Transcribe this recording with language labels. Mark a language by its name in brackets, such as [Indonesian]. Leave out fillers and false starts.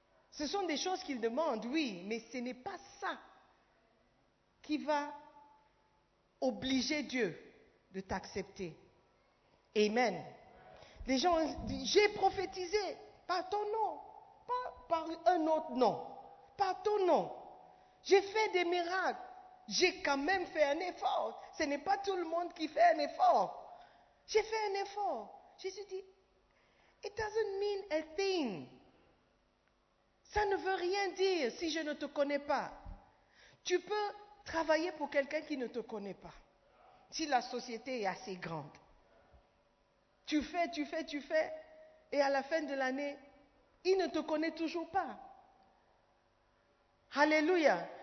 [French] Ce sont des choses qu'il demande, oui, mais ce n'est pas ça qui va obliger Dieu de t'accepter. Amen. Les gens disent, j'ai prophétisé par ton nom, pas par un autre nom, par ton nom. J'ai fait des miracles, j'ai quand même fait un effort. Ce n'est pas tout le monde qui fait un effort. J'ai fait un effort. Jésus dit, [English] it doesn't mean a thing. [French] Ça ne veut rien dire si je ne te connais pas. Tu peux travailler pour quelqu'un qui ne te connaît pas, si la société est assez grande. Tu fais, et à la fin de l'année, il ne te connaît toujours pas. Alléluia.